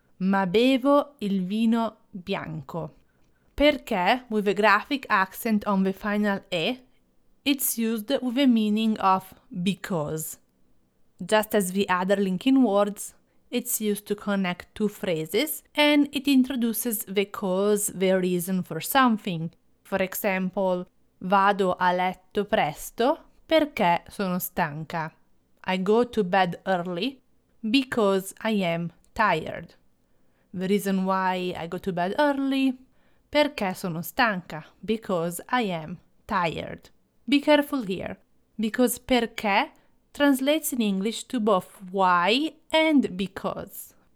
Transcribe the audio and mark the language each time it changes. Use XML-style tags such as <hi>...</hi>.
<it>Ma bevo il vino bianco.</it> <en>Perché, with a graphic accent on the final E, it's used with the meaning of because. Just as the other LinkedIn words, it's used to connect two phrases and it introduces the cause, the reason for something. For example,</en> <it>vado a letto presto perché sono stanca.</it> <en>I go to bed early because I am tired. The reason why I go to bed early,</en> <it>perché sono stanca,</it> <en>because I am tired. Be careful here, because perché translates in English to both why and because.</en>